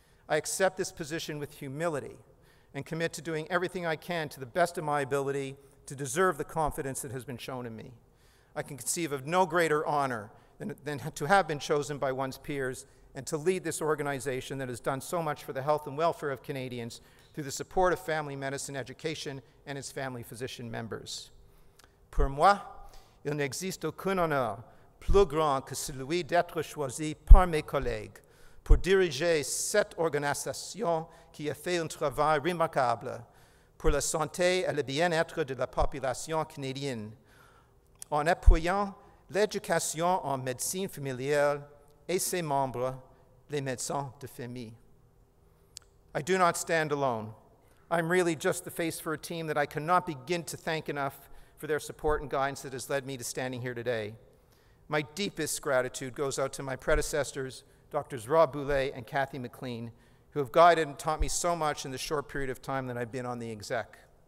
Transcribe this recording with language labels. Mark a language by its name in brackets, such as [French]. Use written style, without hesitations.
[English] I accept this position with humility and commit to doing everything I can to the best of my ability to deserve the confidence that has been shown in me. I can conceive of no greater honor than to have been chosen by one's peers and to lead this organization that has done so much for the health and welfare of Canadians through the support of family medicine education and its family physician members. [French] Pour moi, il n'existe aucun honneur plus grand que celui d'être choisi par mes collègues pour diriger cette organisation qui a fait un travail remarquable pour la santé et le bien-être de la population canadienne en appuyant l'éducation en médecine familiale et ses membres, les médecins de famille. [English] I do not stand alone. I'm really just the face for a team that I cannot begin to thank enough for their support and guidance that has led me to standing here today. My deepest gratitude goes out to my predecessors, Drs. Rob Boulay and Kathy McLean, who have guided and taught me so much in the short period of time that I've been on the exec.